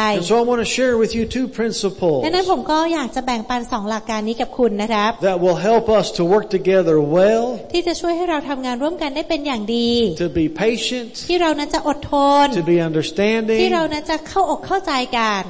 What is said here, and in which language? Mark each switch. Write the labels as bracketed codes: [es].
[en] And so I want to share with you two principles [th] ดังนั้นผมก็อยากจะแบ่งปัน2หลักการนี้กับคุณนะครับ [en] That will help us to work together well [th] ที่จะช่วยให้เราทำงานร่วมกันได้เป็นอย่างดี [en] To be patient [th] ที่เรานั้นจะอดทน [en] To be understanding [th] ที่เรานั้นจะเข้าอกเข้าใจกัน